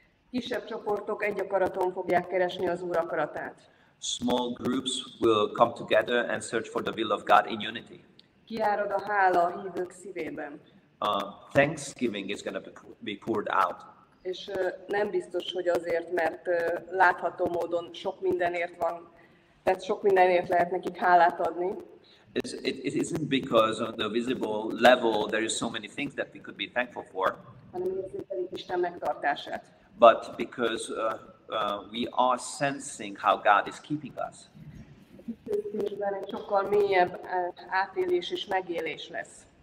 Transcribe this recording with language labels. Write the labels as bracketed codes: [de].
[hu] Kisebb csoportok egy akaraton fogják keresni az Úr akaratát. [en] Small groups will come together and search for the will of God in unity. [hu] Kiárad a hála a hívők szívében. [en] Thanksgiving is going to be poured out. [hu] És nem biztos, hogy azért, mert látható módon sok mindenért van, tehát sok mindenért lehet nekik hálát adni. [en] It isn't because on the visible level there is so many things that we could be thankful for. [hu] Hanem érzékelik Isten megtartását. [en] But because we are sensing how God is keeping us. [hu] Hisszükben egy sokkal mélyebb átélés és megélés lesz.